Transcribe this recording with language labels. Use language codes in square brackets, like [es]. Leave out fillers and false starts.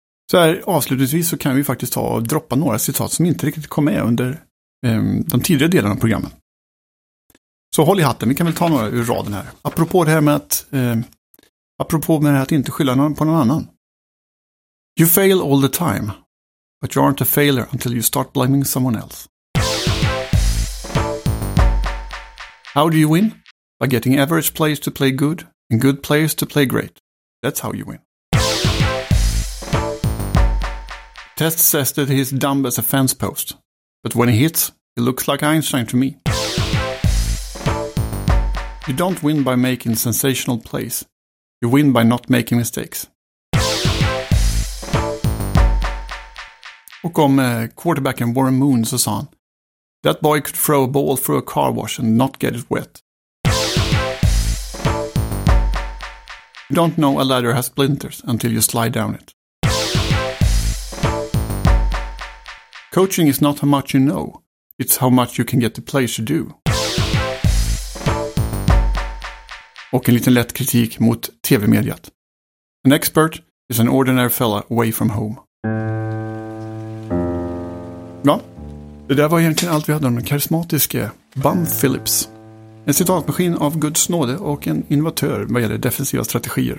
[sv] Så här avslutningsvis så kan vi faktiskt ta och droppa några citat som inte riktigt kom med under de tidigare delarna av programmen. Så håll i hatten, vi kan väl ta några ur raden här. Apropå med det här att inte skylla på någon annan. [en] You fail all the time, but you aren't a failure until you start blaming someone else. How do you win? By getting average players to play good and good players to play great. That's how you win. Test says that he's dumb as a fence post, but when he hits, he looks like Einstein to me. You don't win by making sensational plays. You win by not making mistakes. [sv] Och om quarterbacken Warren Moon så sa han: [en] "That boy could throw a ball through a car wash and not get it wet." You don't know a ladder has splinters until you slide down it. Coaching is not how much you know, it's how much you can get the players to do. [sv] Och en liten lätt kritik mot tv-mediet. [en] An expert is an ordinary fella away from home. [sv] Ja, det där var egentligen allt vi hade om den karismatiske Bum Phillips. En citatmaskin av Guds nåde och en innovatör vad gäller defensiva strategier.